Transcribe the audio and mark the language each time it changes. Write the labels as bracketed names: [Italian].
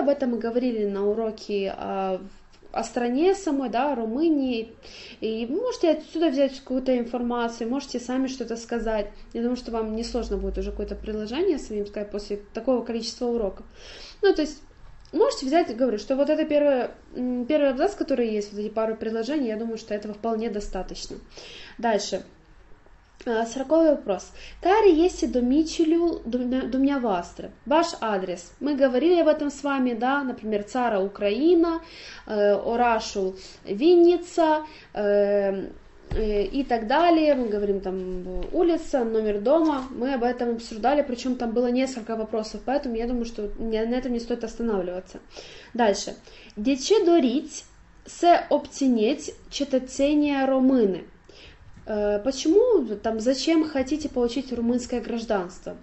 [Russian] Об этом мы говорили на уроке о стране самой, да, Румынии, и можете отсюда взять какую-то информацию, можете сами что-то сказать. Я думаю, что вам несложно будет уже какое-то предложение самим сказать после такого количества уроков. Ну, то есть, можете взять, говорю, что вот это первый абзац, который есть, вот эти пару предложений, я думаю, что этого вполне достаточно. Дальше. 40-й вопрос. [Romanian] Care este domiciliul dumneavoastră? [Russian] Ваш адрес. Мы говорили об этом с вами, да, например, [Romanian] Цара Украина, Орашу Винница [Russian] и так далее. Мы говорим там улица, номер дома. Мы об этом обсуждали, причем там было несколько вопросов, поэтому я думаю, что на этом не стоит останавливаться. Дальше. [Romanian] De ce doriți să obțineți cetățenia română? [Russian] Почему, там, зачем хотите получить румынское гражданство?